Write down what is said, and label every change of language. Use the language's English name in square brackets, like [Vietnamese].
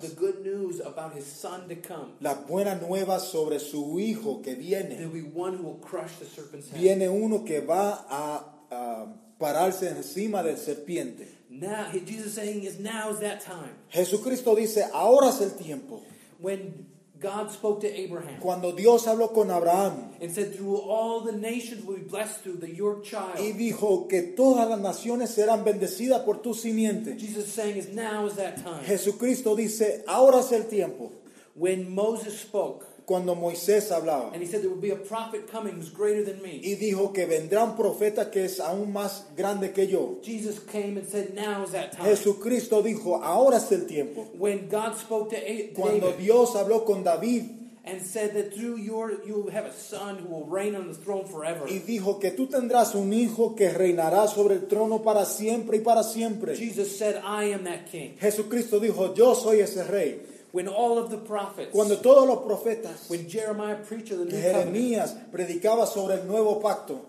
[English] The good news about his son to come. [Spanish] La buena nueva sobre su hijo que viene. [English] There will be one who will crush the serpent's head. [Spanish] Viene uno que va a pararse encima del serpiente. [English] Now Jesus saying is now is that time. [Spanish] Jesucristo dice ahora es el tiempo. [English] When God spoke to Abraham. [Spanish] Cuando Dios habló con Abraham. [English] And said, through all the nations will be blessed through the, your child. [Spanish] Y dijo que todas las naciones serán bendecidas por tu simiente. [English] Jesus saying, now is that time. [Spanish] Jesucristo dice, ahora es el tiempo. [English] When Moses spoke. [Spanish] Cuando Moisés hablaba. [English] And he said, there will be a prophet coming who's greater than me. [Spanish] Y dijo que vendrá un profeta que es aún más grande que yo. [English] Jesus came and said, now is that time. [Spanish] Jesucristo dijo, ahora es el tiempo. [English] When God spoke to David. [Spanish] Cuando Dios habló con David. [English] And said that through you will have a son who will reign on the throne forever. [Spanish] Y dijo que tú tendrás un hijo que reinará sobre el trono para siempre y para siempre. [English] Jesus said, I am that king. [Spanish] Jesucristo dijo, yo soy ese rey. [English] When all of the prophets, [Spanish] cuando todos los profetas, [English] when Jeremiah preached the new covenant, [Spanish] Jeremías predicaba sobre el nuevo pacto,